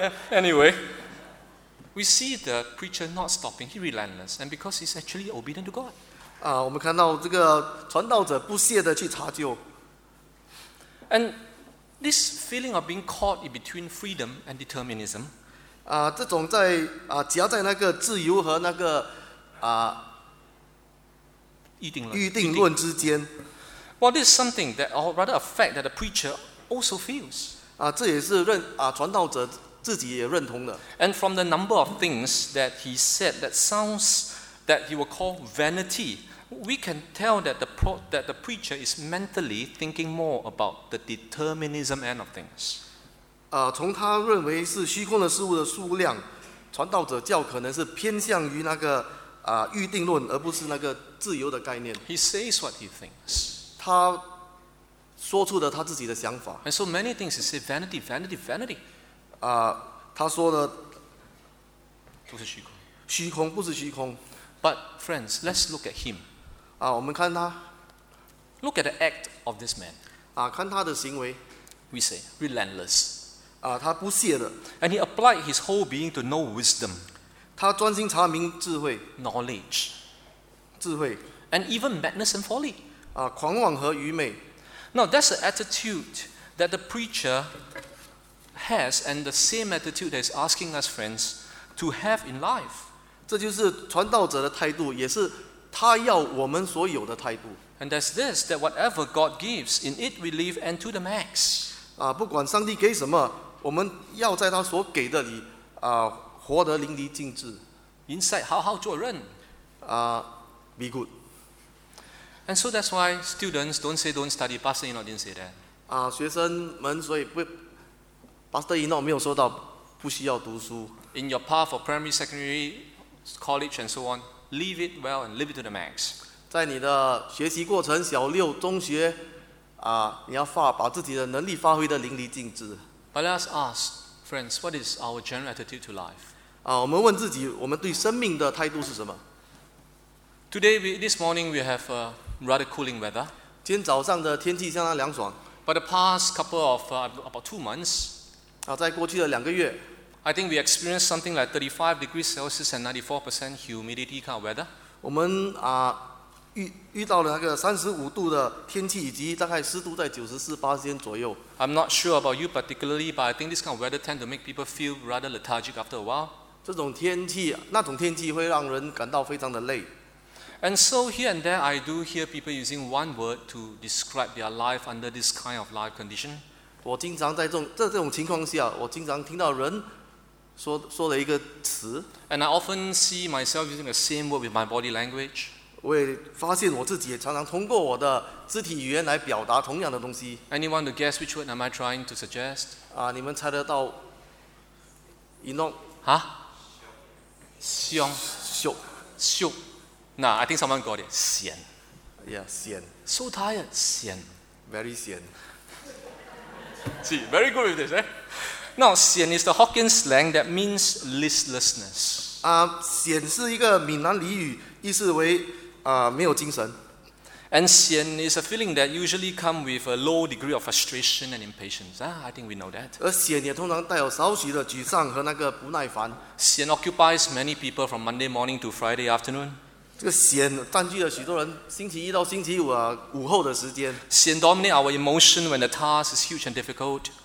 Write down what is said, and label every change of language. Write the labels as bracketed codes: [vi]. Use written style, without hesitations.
[en] Anyway, we see the preacher not stopping. He relentless, and because he's actually obedient to God. [zh] 我们看到这个传道者不懈的去查究。 [en] And this feeling of being caught in between freedom and determinism, [zh] 这种在夹在那个自由和那个预定论之间。 [en] Well, this is something that, or rather, a fact that the preacher also feels. [zh] 这也是传道者自己也认同的。 [en] And from the number of things that he said that sounds that he will call vanity. We can tell that the preacher is mentally thinking more about the determinism end of things. [zh] 从他认为是虚空的事物的数量，传道者较可能是偏向于那个预定论，而不是那个自由的概念。 [en] He says what he thinks. [zh] 他他说出了他自己的想法。 [en] And so many things he said, vanity, vanity, vanity. [zh] 啊，他说的都是虚空。虚空不是虚空。 [en] But friends, let's look at him. [zh] 啊，我们看他。 [en] Look at the act of this man. [zh] 啊，看他的行为。 [en] We say relentless. [zh] 啊，他不懈的。 [en] And he applied his whole being to know wisdom. [zh] 他专心查明智慧。 [en] Knowledge. [zh] 智慧。 [en] And even madness and folly. [zh] 啊，狂妄和愚昧。 [en] Now that's the attitude that the preacher has, and the same attitude that is asking us friends to have in life. [zh] 这就是传道者的态度，也是他要我们所有的态度。 [en] And that's this, that whatever God gives, in it we live and to the max. [zh] 啊，不管上帝给什么，我们要在他所给的里啊，活得淋漓尽致。 [en] Inside, [zh] 好好做人。 [en] 啊，be good. And so that's why students don't say don't study. Pastor Enoch didn't say that. [zh] 啊，学生们，所以不 ，Pastor Enoch 没有说到不需要读书。 [en] In your path of primary, secondary, college, and so on, leave it well and live it to the max. [zh] 在你的学习过程，小六、中学，啊，你要把自己的能力发挥得淋漓尽致。 [en] But let us ask, friends, what is our general attitude to life? [zh] 啊，我们问自己，我们对生命的态度是什么 [en] ？Today, this morning, we have rather cooling weather. [zh] 今天早上的天气相当凉爽。 [en] But the past couple of about 2 months, [zh] 啊，在过去的两个月 [en] ，I think we experienced something like 35 degrees Celsius and 94% humidity kind of weather. [zh] 我们啊遇到了那个35度的天气，以及大概湿度在94%左右。 [en] I'm not sure about you particularly, but I think this kind of weather tend to make people feel rather lethargic after a while. [zh] 这种天气，那种天气会让人感到非常的累。 [en] And so here and there, I do hear people using one word to describe their life under this kind of life condition. [zh] 我经常在这种情况下，我经常听到人说了一个词。 [en] And I often see myself using the same word with my body language. [zh] 我也发现我自己也常常通过我的肢体语言来表达同样的东西。 [en] Anyone to guess which word am I trying to suggest? [zh] 啊，你们猜得到 ？Enoch？哈？凶？秀？ [en] 秀？Nah, I think someone got it. 闲 Yeah, 闲 So tired. 闲 Very 闲 See, very good with this, eh? Now, 闲 is the Hokkien slang that means listlessness. [zh] 闲是一个闽南俚语，意思为没有精神。 [en] And 闲 is a feeling that usually comes with a low degree of frustration and impatience. I think we know that. [zh] 而闲也通常带有少许的沮丧和那个不耐烦。 [en] 闲 occupies many people from Monday morning to Friday afternoon. [zh] 这个闲占据了许多人星期一到星期五啊午后的时间。 [en] 闲 dominate our emotion when the task is huge and difficult.